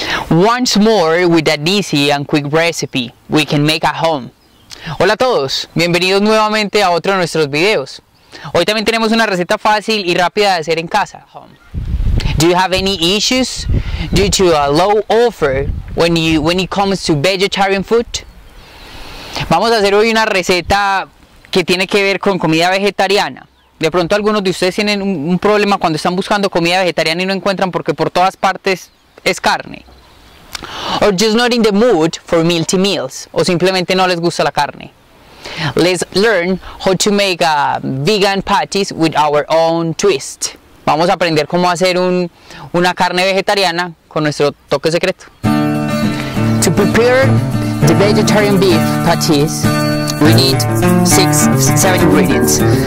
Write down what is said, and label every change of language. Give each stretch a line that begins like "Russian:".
English: Once more with an easy and quick recipe we can make at home.
Spanish: Hola a todos, bienvenidos nuevamente a otro de nuestros videos. Hoy también tenemos una receta fácil y rápida de hacer en casa.
English: Do you have any issues due to a low offer when it comes to vegetarian food?
Spanish: Vamos a hacer hoy una receta que tiene que ver con comida vegetariana. De pronto algunos de ustedes tienen un problema cuando están buscando comida vegetariana y no encuentran porque por todas partes es carne.
English: Or just not in the mood for multi meals.
Spanish: O simplemente no les gusta la carne.
English: Let's learn how to make a vegan patties with our own twist.
Spanish: Vamos a aprender cómo hacer una carne vegetariana con nuestro toque secreto.
English: To prepare the vegetarian beef patties, we need 6-7 ingredients.